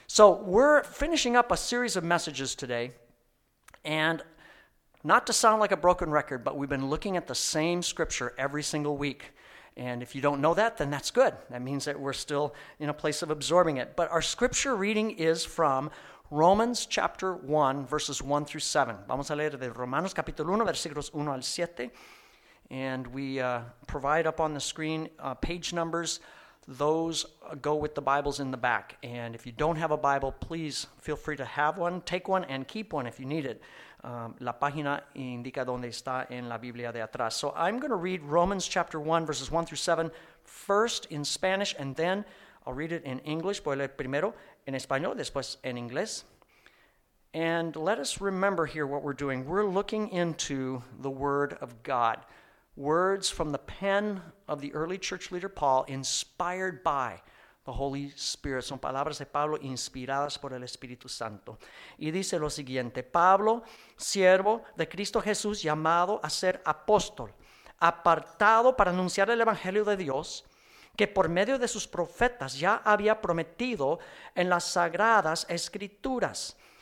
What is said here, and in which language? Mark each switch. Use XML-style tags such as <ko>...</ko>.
<en>So we're finishing up a series of messages today, and not to sound like a broken record, but we've been looking at the same scripture every single week. And if you don't know that, then that's good. That means that we're still in a place of absorbing it. But our scripture reading is from Romans chapter 1, verses 1 through 7.</en> <es>Vamos a leer de Romanos capítulo 1, versículos 1 al 7.</es> <en>And we provide up on the screen page numbers. Those go with the Bibles in the back. And if you don't have a Bible, please feel free to have one, take one, and keep one if you need it.</en> <es>La página indica donde está en la Biblia de atrás.</es> <en>So I'm going to read Romans chapter 1, verses 1 through 7, first in Spanish, and then I'll read it in English.</en> <es>Voy a leer primero en español, después en inglés.</es> <en>And let us remember here what we're doing. We're looking into the Word of God. Words from the pen of the early church leader Paul, inspired by the Holy Spirit. Son palabras de Pablo inspiradas por el Espíritu Santo.</en> <es>Y dice lo siguiente: Pablo, siervo de Cristo Jesús, llamado a ser apóstol, apartado para anunciar el Evangelio de Dios, que por medio de sus profetas ya había prometido en las Sagradas Escrituras.</es>